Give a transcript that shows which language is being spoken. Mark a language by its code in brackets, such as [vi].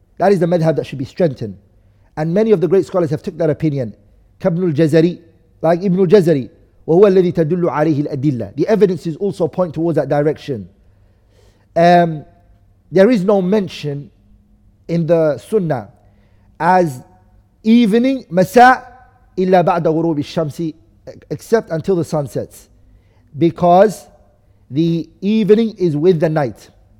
[en] That is the madhab that should be strengthened. And many of the great scholars have took that opinion. [ar] كابن الجزري, [en] like Ibn al-Jazari, [ar] وهو الذي تدل عليه الأدلة. [en] The evidences also point towards that direction. There is no mention in the Sunnah as evening, [ar] masa' illa ba'da ghurubi shamsi, [en] except until the sun sets. Because the evening is with the night.